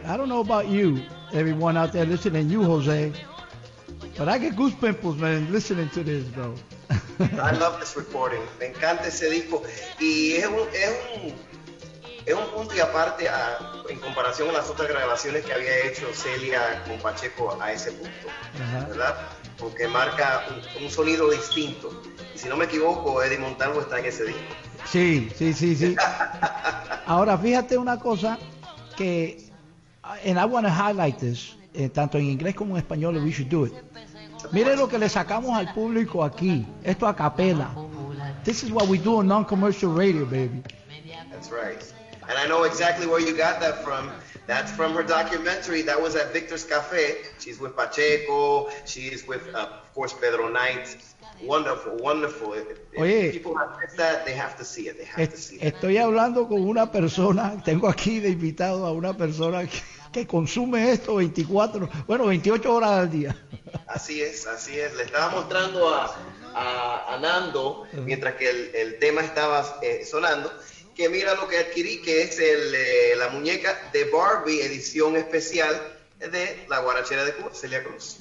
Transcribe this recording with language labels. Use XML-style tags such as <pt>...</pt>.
<en>I don't know about you, everyone out there listening, you, Jose, but I get goose pimples, man, listening to this, bro. I love this recording.</en> <es>Me encanta ese disco. Y es un punto y aparte en comparación a las otras grabaciones que había hecho Celia con Pacheco a ese punto, ¿verdad? Porque marca un sonido distinto. Y si no me equivoco, Eddie Montalvo está en ese disco. Sí. Ahora, fíjate una cosa que,</es> <en>and I want to highlight this,</en> <es>tanto en inglés como en español,</es> <en>we should do it.</en> <es>Mire lo que le sacamos al público aquí. Esto a capela.</es> <en>This is what we do on non-commercial radio, baby. That's right. And I know exactly where you got that from. That's from her documentary. That was at Victor's Cafe. She's with Pacheco. She's with, of course, Pedro Knight. Wonderful, wonderful. If</en> <es>Oye,</es> <en>people have missed that, they have to see it. They have to see it.</en> <es>Estoy hablando con una persona. Tengo aquí de invitado a una persona que consume esto 28 horas al día. Así es. Le estaba mostrando a Nando, mientras que el tema estaba sonando, que mira lo que adquirí, que es la muñeca de Barbie, edición especial de la guarachera de Cuba, Celia Cruz.</es>